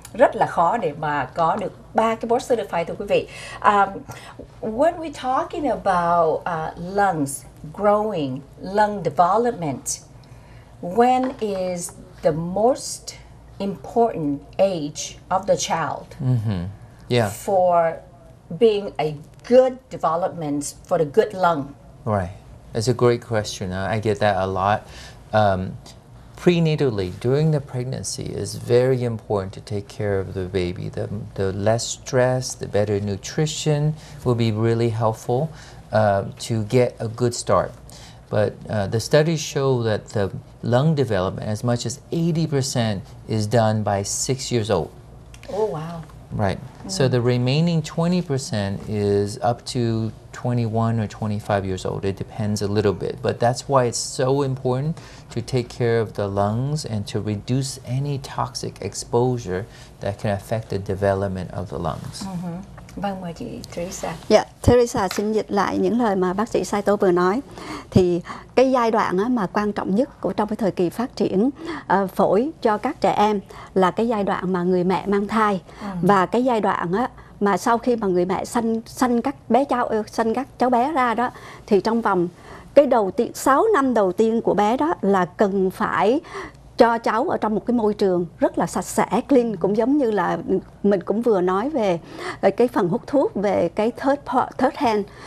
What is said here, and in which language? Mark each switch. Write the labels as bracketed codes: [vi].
[vi] Rất là khó để mà có được ba cái Board Certified thưa quý vị. [en] When we talking about lungs growing, lung development, when is the most important age of the child for being a good development for the good lung? Right. That's a great question. I get that a lot. Prenatally, during the pregnancy, is very important to take care of the baby. The less stress, the better nutrition will be really helpful to get a good start. But the studies show that the lung development, as much as 80%, is done by 6 years old. Oh, wow. Right. Mm. So the remaining 20% is up to 21 or 25 years old. It depends a little bit. But that's why it's so important to take care of the lungs and to reduce any toxic exposure that can affect the development of the lungs. [vi] Vâng, mời chị Teresa. Dạ, Teresa xin dịch lại những lời mà bác sĩ Saito vừa nói. Thì cái giai đoạn mà quan trọng nhất của trong cái thời kỳ phát triển phổi cho các trẻ em là cái giai đoạn mà người mẹ mang thai. Và cái giai đoạn mà sau khi mà người mẹ sanh các cháu bé ra đó, thì trong vòng cái đầu tiên 6 năm đầu tiên của bé đó là cần phải cho cháu ở trong một cái môi trường rất là sạch sẽ, clean, cũng giống như là mình cũng vừa nói về cái phần hút thuốc, về cái third hand.